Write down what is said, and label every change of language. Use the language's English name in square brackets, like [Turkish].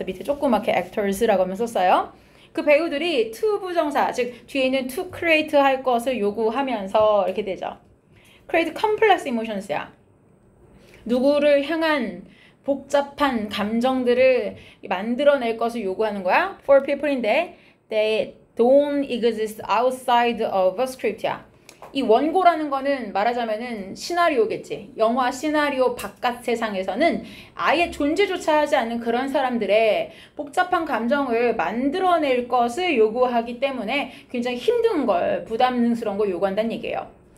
[Korean] 그래서 밑에 조그맣게 actors라고 하면서 썼어요. 그 배우들이 to 부정사, 즉 뒤에 있는 to create 할 것을 요구하면서 이렇게 되죠. [English] create complex emotions야. [Korean] 누구를 향한 복잡한 감정들을 만들어낼 것을 요구하는 거야. [English] For people인데, they don't exist outside of a script야. [Korean] 이 원고라는 거는 말하자면은 시나리오겠지. 영화 시나리오 바깥 세상에서는 아예 존재조차 하지 않는 그런 사람들의 복잡한 감정을 만들어낼 것을 요구하기 때문에 굉장히 힘든 걸, 부담스러운 걸 요구한다는 얘기예요.